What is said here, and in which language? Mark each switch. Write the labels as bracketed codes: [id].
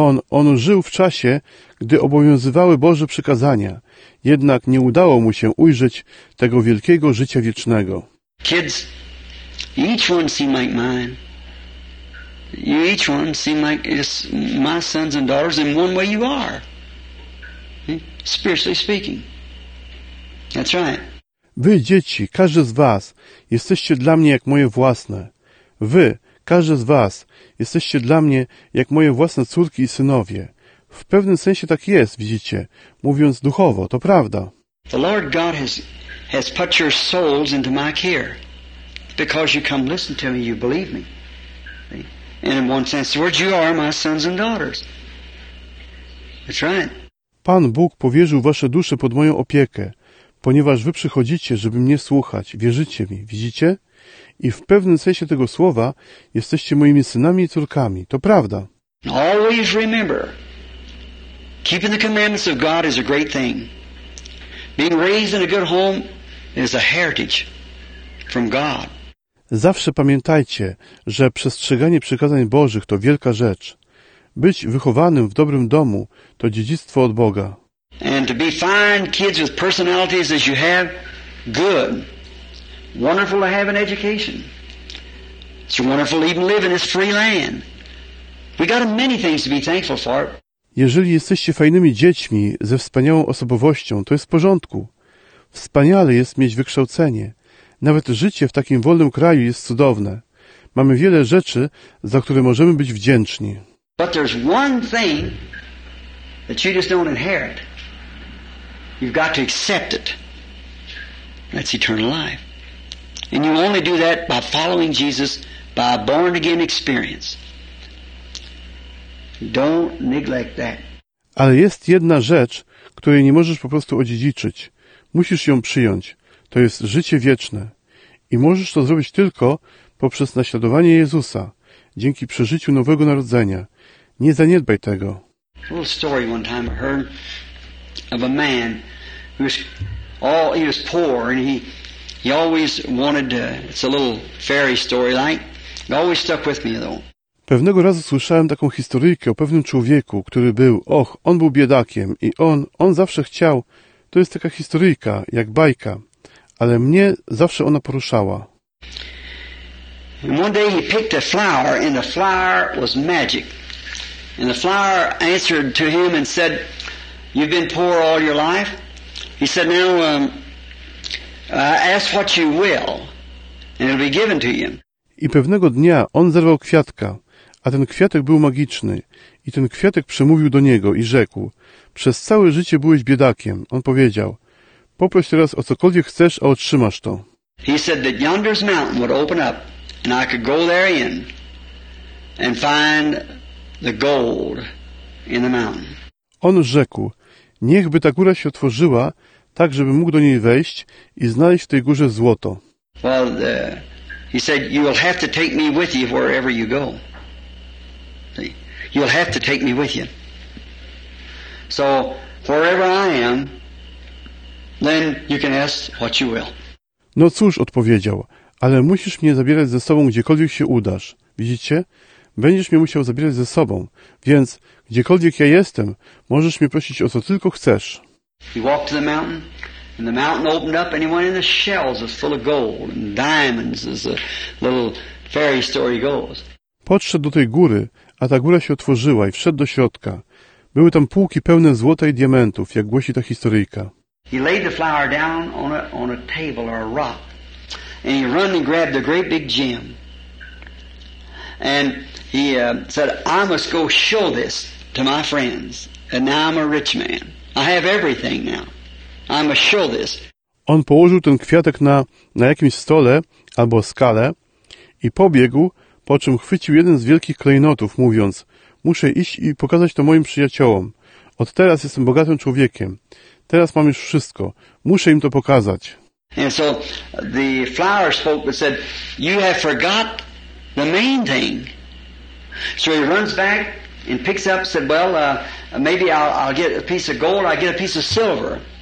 [pl] On żył w czasie, gdy obowiązywały Boże przykazania, jednak nie udało mu się ujrzeć tego wielkiego życia wiecznego. [en] Kids, each one seem like mine. You each one seem like it's my sons and daughters in one way you are. Spiritually speaking. That's right. [pl] Wy, dzieci, każdy z was jesteście dla mnie jak moje własne. Wy, każdy z was jesteście dla mnie jak moje własne córki i synowie. W pewnym sensie tak jest, widzicie, mówiąc duchowo, to prawda. [en] The Lord God has put your souls into my care. Because you come listen to me, you believe me. And in one sense, the words, you are my sons and daughters. That's right. [pl] Pan Bóg powierzył wasze dusze pod moją opiekę, ponieważ wy przychodzicie, żeby mnie słuchać, wierzycie mi, widzicie? I w pewnym sensie tego słowa jesteście moimi synami i córkami. To prawda. [en] Always remember, keeping the commandments of God is a great thing. Being raised in a good home is a heritage from God. [pl] Zawsze pamiętajcie, że przestrzeganie przykazań Bożych to wielka rzecz. Być wychowanym w dobrym domu to dziedzictwo od Boga. [en] And to be fine kids with personalities as you have, good. Wonderful to have an education. It's wonderful to even live in this free land. We got many things to be thankful for. [pl] Jeżeli jesteście fajnymi dziećmi ze wspaniałą osobowością, to jest w porządku. Wspaniale jest mieć wykształcenie. Nawet życie w takim wolnym kraju jest cudowne. Mamy wiele rzeczy, za które możemy być wdzięczni. [en] But there's one thing that you just don't inherit. You've got to accept it. That's eternal life. And you only do that by following Jesus, by a born-again experience. Don't neglect that. [pl] Ale jest jedna rzecz, której nie możesz po prostu odziedziczyć. Musisz ją przyjąć. To jest życie wieczne. I możesz to zrobić tylko poprzez naśladowanie Jezusa, dzięki przeżyciu nowego narodzenia. Nie zaniedbaj tego. [en] Little story one time I heard of a man who was all he was poor and he always wanted to, it's a little fairy story like, it always stuck with me though. [pl] Pewnego razu słyszałem taką historyjkę o pewnym człowieku, który był, och, on był biedakiem i on zawsze chciał, to jest taka historyjka, jak bajka. Ale mnie zawsze ona poruszała. [en] One day he picked a flower and the flower was magic. And the flower answered to him and said, you've been poor all your life? He said, now ask what you will and it'll be given to you. [pl] I pewnego dnia on zerwał kwiatka, a ten kwiatek był magiczny. I ten kwiatek przemówił do niego i rzekł, przez całe życie byłeś biedakiem. On powiedział, poproś teraz o cokolwiek chcesz, a otrzymasz to. [en] He said that yonder's mountain would open up and I could go there in and find the gold in the mountain. [pl] On rzekł, niechby ta góra się otworzyła, tak żebym mógł do niej wejść i znaleźć w tej górze złoto. [en] Well, he said, you will have to take me with you wherever you go. You'll have to take me with you. So, wherever I am, then you can ask what you will. [pl] No cóż, odpowiedział, ale musisz mnie zabierać ze sobą, gdziekolwiek się udasz. Widzicie? Będziesz mnie musiał zabierać ze sobą, więc gdziekolwiek ja jestem, możesz mnie prosić o co tylko chcesz. [en] He walked to the mountain, and the mountain opened up, and he went in the shells as full of gold and diamonds, as a little fairy story goes. [pl] Podszedł do tej góry, a ta góra się otworzyła i wszedł do środka. Były tam półki pełne złota i diamentów, jak głosi ta historyjka. [en] He laid the flower down on a table or a rock, and he run and grabbed a great big gem, and he said, "I must go show this to my friends, and now I'm a rich man. I have everything now. I must show this." [pl] On położył ten kwiatek na jakimś stole albo skale i pobiegł, po czym chwycił jeden z wielkich klejnotów, mówiąc: muszę iść i pokazać to moim przyjaciołom. Od teraz jestem bogatym człowiekiem. Teraz mam już wszystko. Muszę im to pokazać. [en] And so the flower spoke and said, "You have forgot the main thing." So he runs back and picks up, said, "Well, maybe I'll get a piece of gold, I'll get a piece of silver."